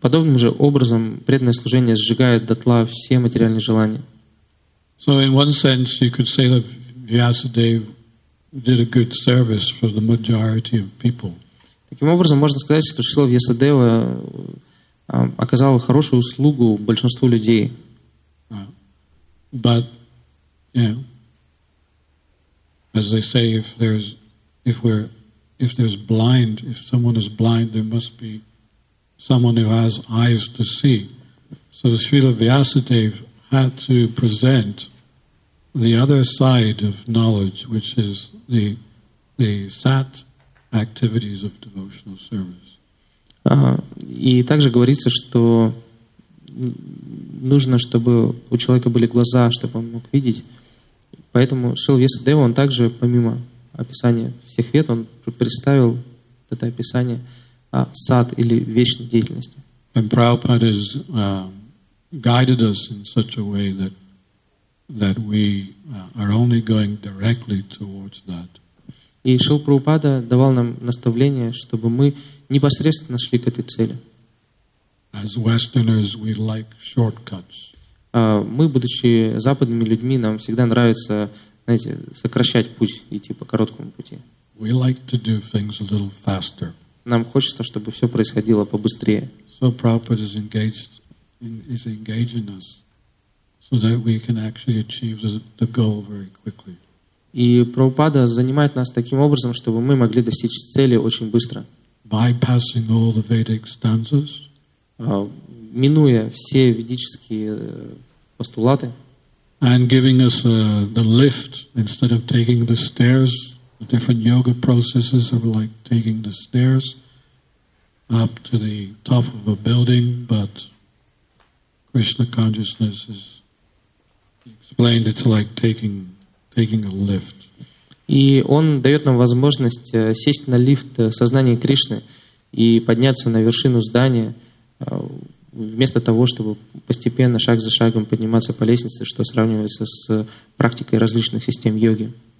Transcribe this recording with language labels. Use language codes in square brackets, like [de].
[ru] Подобным же образом преданное служение сжигает дотла все материальные желания. [en] So in one sense you could say that Vyasadev did a good service for the majority of people. [ru] Таким образом можно сказать, что Шрила Вьясадева оказал хорошую услугу большинству людей. [en] But yeah. As they say, if someone is blind, there must be someone who has eyes to see. So Srila Vyasadeva had to present the other side of knowledge, which is the sat activities of devotional service. [ru] И также говорится, что нужно, чтобы у человека были глаза, чтобы он мог видеть. Поэтому Шрила Вьясадева, он также, помимо описания всех вед, он представил это описание сад или вечной деятельности. [en] And Prabhupada has guided us in such a way that we are only going directly towards that. [ru] И Шрила Прабхупада давал нам наставление, чтобы мы непосредственно шли к этой цели. [en] As Westerners, we like shortcuts. [ru] Мы, будучи западными людьми, нам всегда нравится, знаете, сокращать путь, идти по короткому пути. [en] We like to do things a little faster. [ru] Нам хочется, чтобы все происходило побыстрее. [en] So Prabhupada is engaging us so that we can actually achieve the goal very quickly. [ru] И Прабхупада занимает нас таким образом, чтобы мы могли достичь цели очень быстро. [en] Bypassing all the Vedic stanzas. [ru] Минуя все ведические постулаты. [en] And giving us the lift instead of taking the stairs. The different yoga processes are like taking the stairs up to the top of a building, but Krishna consciousness is explained it's like taking a lift. [ru] И он дает нам возможность сесть на лифт сознания Кришны и подняться на вершину здания, вместо того, чтобы постепенно, шаг за шагом подниматься по лестнице, что сравнивается с практикой различных систем йоги.